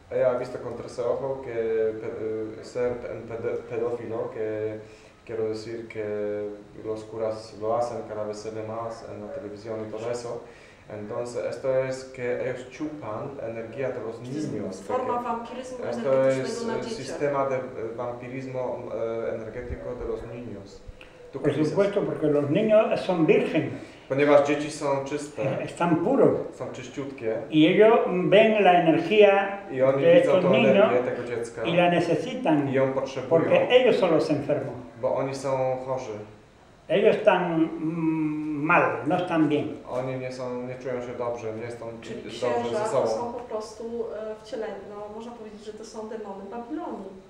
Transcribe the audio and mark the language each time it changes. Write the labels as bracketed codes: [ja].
[es] Ella ha visto con tre ojos que ser un pedófilo, que quiero decir que los curas lo hacen cada vez más en la televisión y todo eso. Entonces, esto es que ellos chupan energía de los niños. Forma vampirismo energético. Esto es sistema de vampirismo energético de los niños. Por supuesto, porque los niños son virgen. [pl] Ponieważ dzieci są czyste, [es] están puro, [pl] są czyściutkie [es] i ellos ven la energía [pl] i oni widzą tą energię tego dziecka [es] y la necesitan, [pl] i ją potrzebują, [es] porque ellos son los enfermos. [pl] Bo oni są chorzy. [es] Ellos están mal, no están bien. [pl] Oni nie są, nie czują się dobrze, nie są czyli dobrze księża, ze sobą. Czyli są po prostu wcieleni, no można powiedzieć, że to są demony Babilonu.